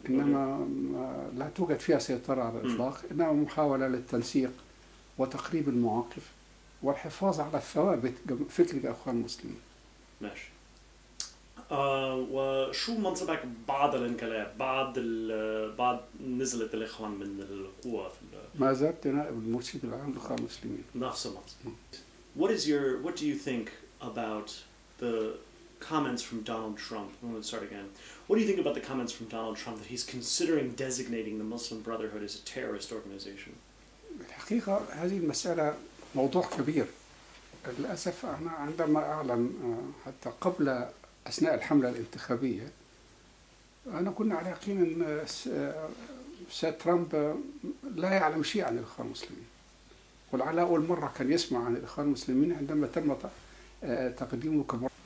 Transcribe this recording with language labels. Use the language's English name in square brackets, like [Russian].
[Arabic] إنما لا توجد فيها سيطرة على الإطلاق، إنما محاولة للتنسيق وتقريب المواقف والحفاظ على الثوابت فكر الإخوان المسلمين. ماشي. وشو منصبك بعد الانقلاب، بعد نزلت الإخوان من القوة؟ ما زلت نائب المرشد العام للإخوان المسلمين. نفس المنصب. [English] What do you think about the comments from Donald Trump? Let's start again. What do you think about the comments from Donald Trump that he's considering designating the Muslim Brotherhood as a terrorist organization? [Arabic] الحقيقة هذه المسألة موضوع كبير. للأسف أنا عندما أعلم حتى قبل أثناء الحملة الانتخابية، أنا كنا على يقين أن سيد ترامب لا يعلم شيء عن الإخوان المسلمين، ولعل أول مرة كان يسمع عن الإخوان المسلمين عندما تم تقديمه كمرشد.